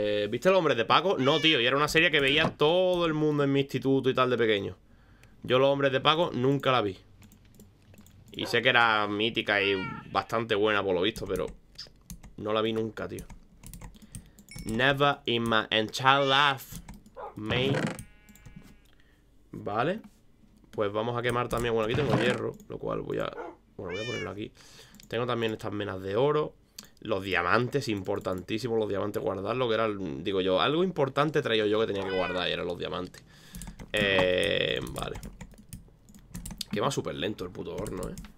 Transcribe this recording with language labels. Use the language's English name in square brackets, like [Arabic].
[Spanish] ¿Viste Los Hombres de Paco? No, tío, y era una serie que veía todo el mundo en mi instituto y tal de pequeño. Yo Los Hombres de Paco nunca la vi. Y sé que era mítica y bastante buena por lo visto, pero no la vi nunca, tío. [English] Never in my entire life, mate. [Spanish] Vale. Pues vamos a quemar también. Bueno, aquí tengo hierro, lo cual voy a... Bueno, voy a ponerlo aquí. Tengo también estas menas de oro. Los diamantes, importantísimos los diamantes, guardarlo, que era, digo yo, algo importante traigo yo que tenía que guardar y eran los diamantes. Vale. Quema súper lento el puto horno, eh.